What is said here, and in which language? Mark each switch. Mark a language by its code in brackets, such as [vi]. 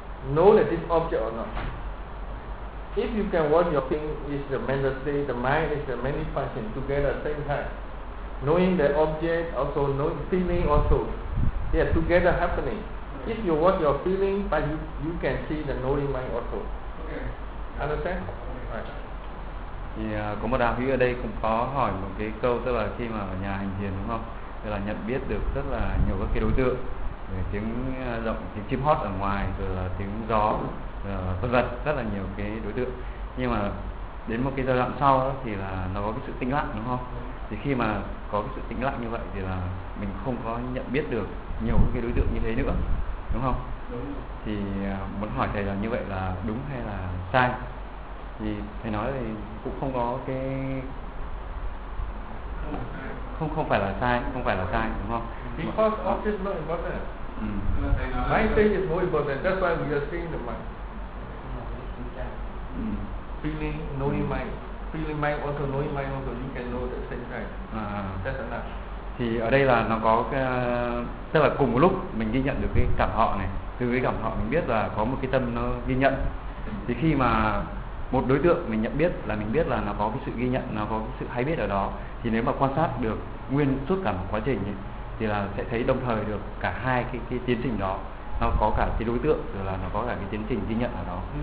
[en] Know that this object or not. If you can watch your thing is the mental state, the mind is the many function together at the same time. Knowing the object, also knowing feeling also. They are together happening. If you watch your feeling, but you can see the knowing mind also. Okay. Understand? [vi] Thì có một đạo hữu ở đây cũng có hỏi một cái câu, tức là khi mà ở nhà hành thiền đúng không? Tức là nhận biết được rất là nhiều các cái đối tượng, tiếng rộng, tiếng chim hót ở ngoài, rồi là tiếng gió, vân vân, rất là nhiều cái đối tượng. Nhưng mà đến một cái giai đoạn sau đó, thì là nó có cái sự tĩnh lặng đúng không? Thì khi mà có cái sự tĩnh lặng như vậy thì là mình không có nhận biết được nhiều các cái đối tượng như thế nữa. Đúng không? Đúng. Thì muốn hỏi thầy là như vậy là đúng hay là sai? Thì thầy nói thì cũng không có cái không phải là sai, đúng không? [en] Because object is not important. My thing is more important. That's why we are seeing the mind. Feeling, knowing mind. Feeling mind also knowing mind also you can know the same thing. That's enough. [vi] Thì ở đây là nó có cái, tức là cùng một lúc mình ghi nhận được cái cảm họ này, từ cái cảm họ mình biết là có một cái tâm nó ghi nhận. Thì khi mà một đối tượng mình nhận biết là mình biết là nó có cái sự ghi nhận, nó có cái sự hay biết ở đó, thì nếu mà quan sát được nguyên suốt cả một quá trình ấy, thì là sẽ thấy đồng thời được cả hai cái tiến trình đó, nó có cả cái đối tượng rồi là nó có cả cái tiến trình ghi nhận ở đó.